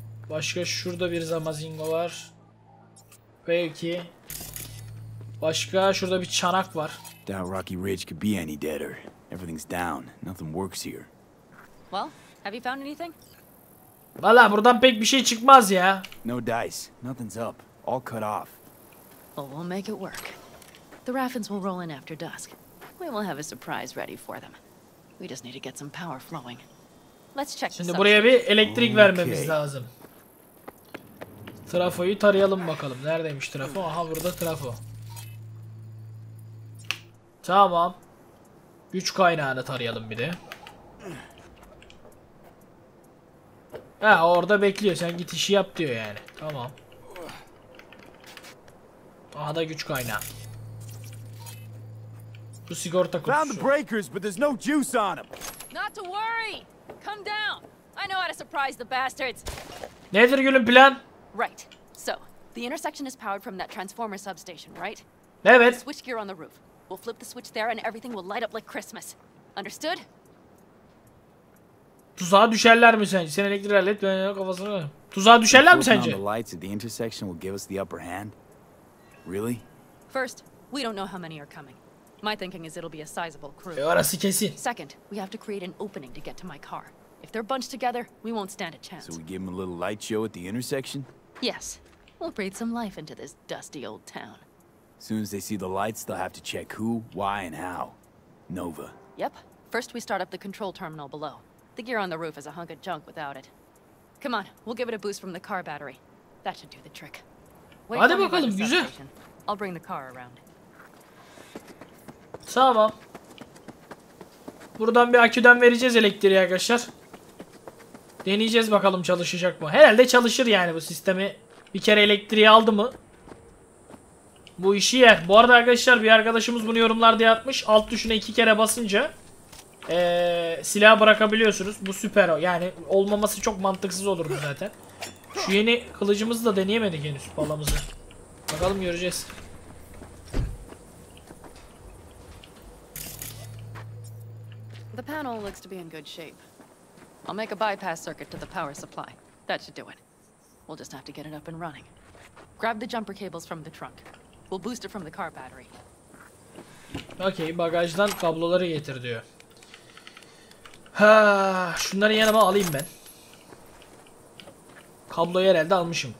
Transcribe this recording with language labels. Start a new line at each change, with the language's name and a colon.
Turkish: Başka şurada bir zamazingo var. Belki. Başka şurada bir çanak var.
English: That rocky ridge could be any deader. Everything's down. Nothing works here. Well, have you found anything?
Turkish: Valla buradan pek bir şey çıkmaz ya.
English: No dice. Nothing's up. All cut off. We'll make it work. The Raffens will roll in after dusk. We will have a surprise ready for them. We just need to get some power flowing. Let's check.
Turkish: Şimdi buraya bir elektrik vermemiz lazım. Trafoyu tarayalım bakalım. Neredeymiş trafo? Aha burada trafo. Tamam. Güç kaynağını tarayalım bir de. Ha orada bekliyor. Sen git işi yap diyor yani. Tamam. Aha da güç kaynağı. Bu sigorta kutusu.
English: Found the breakers, but there's no juice on them. Not to worry. Come down. I know how to surprise the bastards.
Turkish: Nedir gülüm plan?
English: Right. So, the intersection is powered from that transformer substation, right?
Turkish: Evet.
English: Switch gear on the roof. We'll flip the switch there and everything will light up like Christmas. Understood?
Turkish: Tuzağa düşerler mi sence? Sen elektrik alet ben kafasını. Tuzağa düşerler mi sence?
English: The lights at the intersection will give us the upper hand. Really? First, we don't know how many are coming. My thinking is it'll be a sizable crew.
Turkish: Orası kesin.
English: Second, we have to create an opening to get to my car. If they're bunched together, we won't stand a chance. So we give them a little light show at the intersection? Yes. We'll breathe some life into this dusty old town. As soon as they see the lights, they'll have to check who, why, and how. Nova. Yep. First, we start up the control terminal below. The gear on the roof is a hunk of junk without it. Come on, we'll give it a boost from the car battery. That should do the trick.
Turkish: Hadi bakalım güzel.
English: I'll bring the car around.
Turkish: Tamam. Buradan bir aküden vereceğiz elektriği arkadaşlar. Deneyeceğiz bakalım çalışacak mı. Herhalde çalışır yani bu sistemi. Bir kere elektriği aldı mı? Bu işi yer. Bu arada arkadaşlar bir arkadaşımız bunu yorumlarda yapmış. Alt tuşuna iki kere basınca silahı bırakabiliyorsunuz. Bu süper. Yani olmaması çok mantıksız olurdu zaten. Şu yeni kılıcımızı da deneyemedik henüz balamızı. Bakalım göreceğiz.
English: The The panel looks to be in good shape. I'll make a bypass circuit to the power supply. That should do it. We'll just have to get it up and running. Grab the jumper cables from the trunk. We'll boost it from the car battery.
Turkish: Okay, bagajdan kabloları getir diyor. Ha, şunları yanıma alayım ben. Kabloyu herhalde almışım.